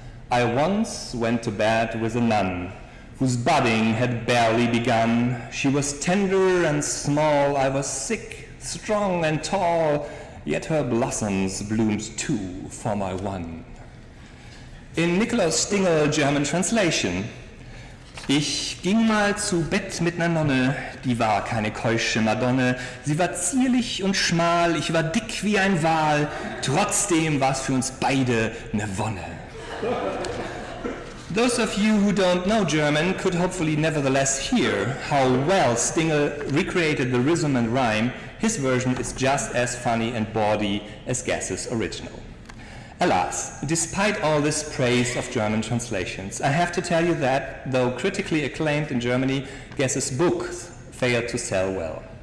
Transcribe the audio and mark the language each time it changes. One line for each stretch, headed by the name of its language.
English: I once went to bed with a nun whose budding had barely begun. She was tender and small, I was sick, strong and tall, yet her blossoms bloomed too for my one. In Nikolaus Stingel German translation,
German: ich ging mal zu Bett mit ner Nonne, die war keine keusche Madonne, sie war zierlich und schmal, ich war dick wie ein Wal, trotzdem war's für uns beide ne Wonne.
English: Those of you who don't know German could hopefully nevertheless hear how well Stingel recreated the rhythm and rhyme. His version is just as funny and bawdy as Gass's original. Alas, despite all this praise of German translations, I have to tell you that, though critically acclaimed in Germany, Gass's books failed to sell well.